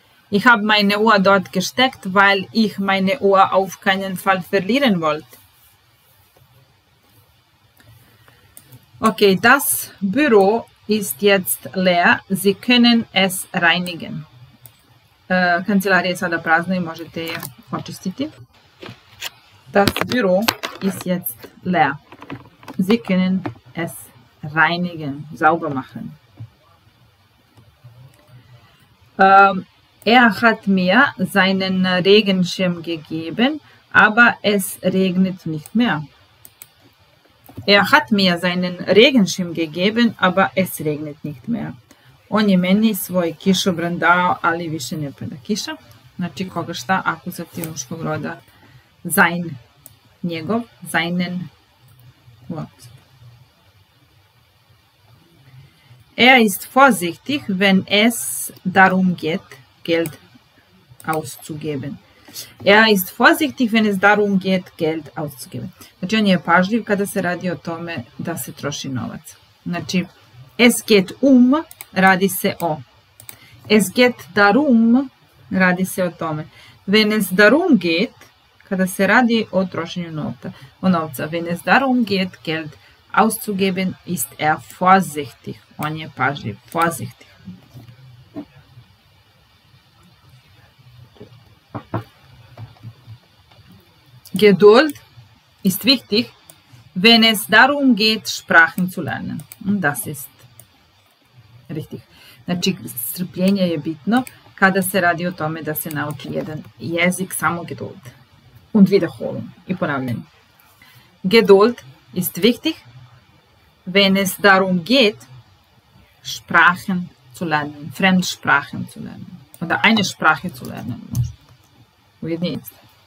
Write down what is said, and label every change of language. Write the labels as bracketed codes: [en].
[de] Ich habe meine Uhr dort gesteckt, weil ich meine Uhr auf keinen Fall verlieren wollte. Okay, das Büro ist jetzt leer, Sie können es reinigen. [sr] Kancelarija je sada prazna i možete je očistiti. [de] Das Büro ist jetzt leer. Sie können es reinigen, sauber machen. Er hat mir seinen Regenschirm gegeben, aber es regnet nicht mehr. Er hat mir seinen Regenschirm gegeben, aber es regnet nicht mehr. [sr] On je meni svoj kišobran dao, ali više ne pada kiša. Znači, koga šta, akuzativ muškog roda, sein, njegov, seinen, what? [de] Er ist vorsichtig, wenn es darum geht, Geld auszugeben. Er ist vorsichtig, wenn es darum geht, Geld auszugeben. [sr] Znači, on je pažljiv kada se radi o tome da se troši novac. Znači, [de] es geht [sr] radi se o. [de] Es geht darum, [sr] radi se o tome. [de] Wenn es darum geht, [sr] kada se radi o trošenju novca. O novca. [de] Wenn es darum geht, Geld auszugeben, ist er vorsichtig. [sr] On je pažljiv, vorsichtig. [de] Geduld ist wichtig, wenn es darum geht, Sprachen zu lernen. Das ist richtig. [sr] Znači, strpljenje je bitno kada se radi o tome da se nauči jedan jezik, samo geduld. [de] Und wiederholen. [sr] I ponavljanje. [de] Geduld ist wichtig, wenn es darum geht, Sprachen zu lernen, Fremdsprachen zu lernen. Oder eine Sprache zu lernen. [sr] Ujedinjenje.